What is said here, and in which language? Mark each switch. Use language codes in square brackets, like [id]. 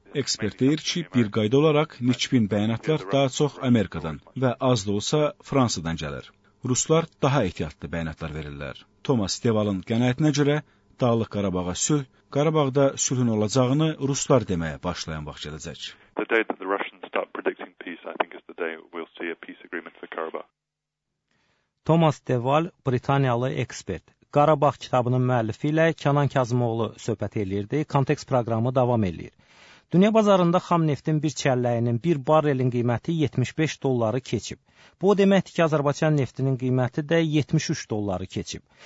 [az] Ekspert deyir ki, bir qayda olaraq nikbin bəyanatlar daha çox Amerikadan və az da olsa Fransadan gəlir. Ruslar daha ehtiyatlı bəyanatlar verirlər. Thomas Devalın qənaətinə görə Dağlıq Qarabağa sülh, Qarabağda sülhün olacağını ruslar deməyə başlayan vaxt gələcək. [en] The day that the Russians start predicting peace, I think, is the day we'll see a peace agreement for Karabakh. [az] Thomas Deval, Britaniyalı ekspert. Qarabağ kitabının müəllifi ilə Kənan Kazımoğlu söhbət eləyirdi. Kontekst proqramı davam eləyir. Dünya bazarında xam neftin bir çəlləyinin bir barrelin qiyməti 75 dolları keçib. Bu o deməkdir ki, Azərbaycan neftinin qiyməti də 73 dolları keçib.